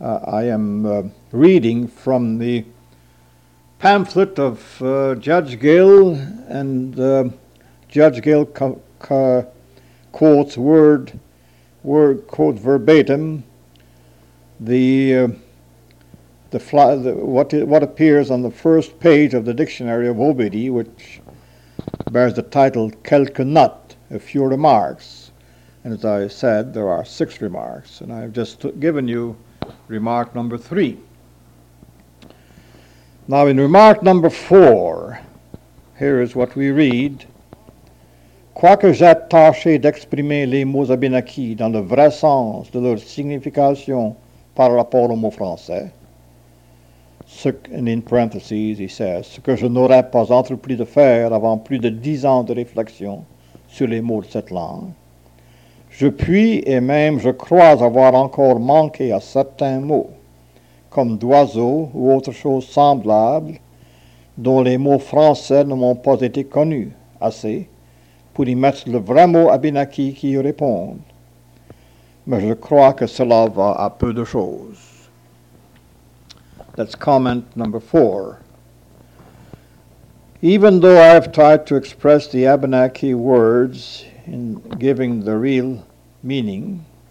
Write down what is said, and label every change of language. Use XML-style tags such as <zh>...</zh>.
<en>I am reading from the pamphlet of Judge Gill, and Judge Gill quotes quote verbatim what appears on the first page of the Dictionary of Obedi, which bears the title Quelques Notes, A Few Remarks. And as I said, there are 6 remarks, and I've just given you remark number 3. Now in remark number 4, here is what we read.</en> <fr>Quoique j'ai tâché d'exprimer les mots Abenaki dans le vrai sens de leur signification par rapport aux mots français,</fr> <en>in parentheses, he says,</en> <fr>ce que je n'aurais pas entrepris de faire avant plus de 10 ans de réflexion sur les mots de cette langue, je puis et même je crois avoir encore manqué à certains mots, comme d'oiseau ou autre chose semblable, dont les mots français ne m'ont pas été connus assez pour y mettre le vrai mot Abenaki qui y répond. Mais je crois que cela va à peu de choses.</fr> <en>That's comment number 4. Even though I have tried to express the Abenaki words in giving their real meaning</en>